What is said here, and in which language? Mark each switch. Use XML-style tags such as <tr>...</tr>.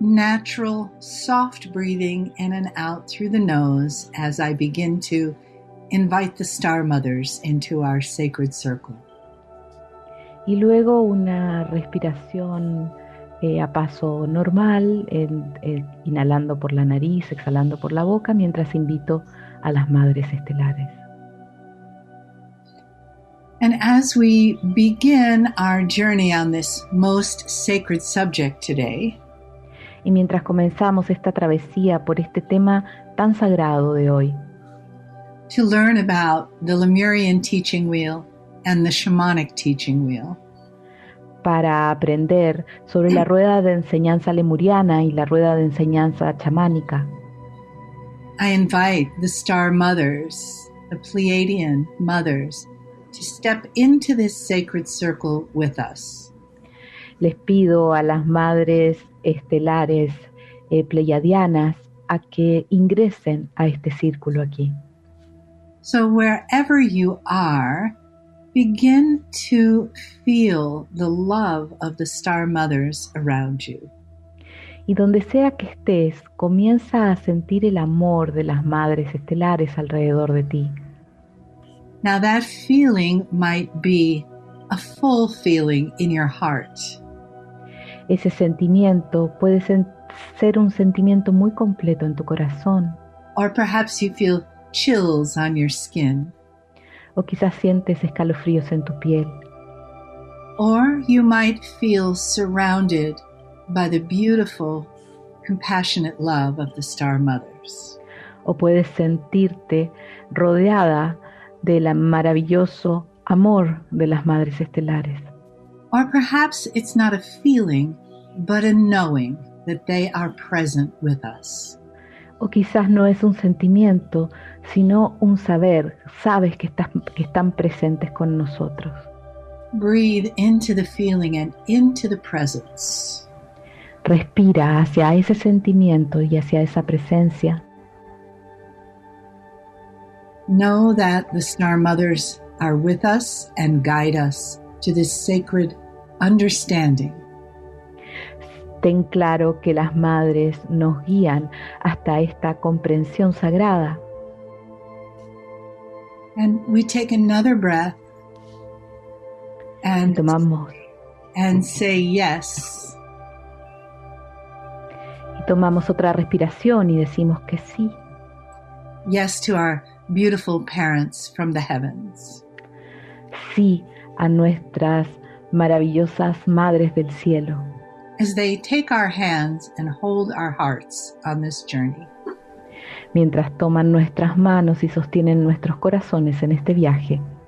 <en>Natural, soft breathing in and out through the nose as I begin to invite the Star Mothers into our sacred circle.</en> <es>Y luego una respiración a paso normal, inhalando por la nariz, exhalando por la boca, mientras invito a las Madres Estelares.</es> <en>And as we begin our journey on this most sacred subject today,</en> <es>y mientras comenzamos esta travesía por este tema tan sagrado de hoy,</es> <en>to learn about the Lemurian teaching wheel and the shamanic teaching wheel,</en> <es>para aprender sobre la rueda de enseñanza lemuriana y la rueda de enseñanza chamánica,</es> <en>I invite the Star Mothers, the Pleiadian Mothers, to step into this sacred circle with us.</en> <es>Les pido a las madres estelares pleiadianas a que ingresen a este círculo aquí.</es> <en>So wherever you are, begin to feel the love of the Star Mothers around you.</en> <es>Y donde sea que estés, comienza a sentir el amor de las madres estelares alrededor de ti.</es> <en>Now that feeling might be a full feeling in your heart.</en> <es>Ese sentimiento puede ser un sentimiento muy completo en tu corazón.</es> <en>Or perhaps you feel chills on your skin.</en> <es>O quizás sientes escalofríos en tu piel.</es> <en>Or you might feel surrounded by the beautiful, compassionate love of the Star Mothers.</en> <es>O puedes sentirte rodeada del maravilloso amor de las Madres Estelares.</es> <en>Or perhaps it's not a feeling, but a knowing that they are present with us.</en> <es>O quizás no es un sentimiento, sino un saber. Sabes que están presentes con nosotros.</es> <en>Breathe into the feeling and into the presence.</en> <es>Respira hacia ese sentimiento y hacia esa presencia.</es> <en>Know that the Star Mothers are with us and guide us to this sacred understanding.</en> <es>Ten claro que las madres nos guían hasta esta comprensión sagrada.</es> <en>And we take another breath</en> <es>and, tomamos,</es> <en>and say yes.</en> <es>Y tomamos otra respiración y decimos que sí.</es> <en>Yes to our beautiful parents from the heavens.</en> <es>Sí a nuestras maravillosas madres del cielo.</es> <en>As they take our hands and hold our hearts on this journey.</en> <es>Mientras toman nuestras manos y sostienen nuestros corazones en este viaje.</es>